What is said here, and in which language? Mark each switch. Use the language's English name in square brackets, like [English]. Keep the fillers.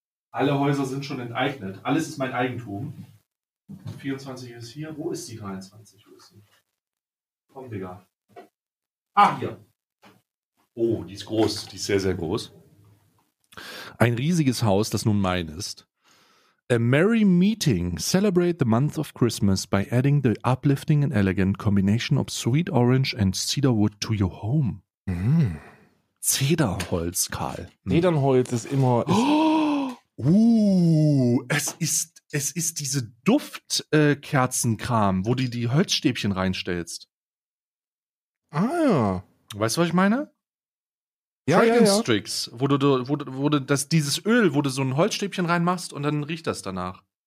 [German] Alle Häuser sind schon enteignet. Alles ist mein Eigentum. 24 ist hier. Wo ist die 23? Wo ist die? Komm, Digga. Ah, hier. Oh, die ist groß. Die ist sehr, sehr groß. Ein riesiges Haus, das nun mein ist. [English] A merry meeting. Celebrate the month of Christmas by adding the uplifting and elegant combination of sweet orange and cedarwood to your home. [German] Mm. Zederholz, Karl. Hm. Zedernholz ist immer. Ist oh, uh, es ist, es ist diese Duftkerzenkram, äh, Kerzenkram, wo du die Holzstäbchen reinstellst. Ah ja. Weißt du, was ich meine? Ja, Trident ja, ja. Strix, wo du, wo, wo, wo du das, dieses Öl, wo du so ein Holzstäbchen reinmachst und dann riecht das danach.